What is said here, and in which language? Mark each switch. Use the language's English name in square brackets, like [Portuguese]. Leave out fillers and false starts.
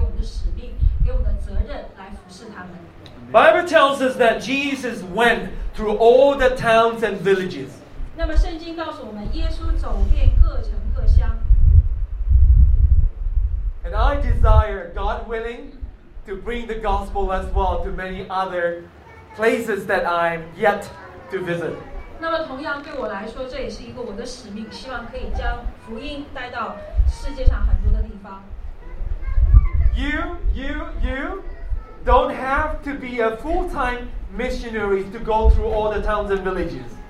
[Chinese] 那么我没有时间给大家一一展示这些教会，但是我想跟大家分享的是，无论走到哪里，都有我们自己的同胞，然后也有其他不同的种族，但是这是神给我们的使命，给我们的责任来服侍他们。 [English] Bible tells us that Jesus went through all the towns and villages. [Chinese] 那么圣经告诉我们，耶稣走遍各城各乡。 [English] And I desire, God willing, to bring the gospel as well to many other places that I'm yet to visit. [Chinese] 那么同样对我来说，这也是一个我的使命，希望可以将福音带到世界上很多的地方。 [English] You don't have to be a full-time missionary to go through all the towns and villages.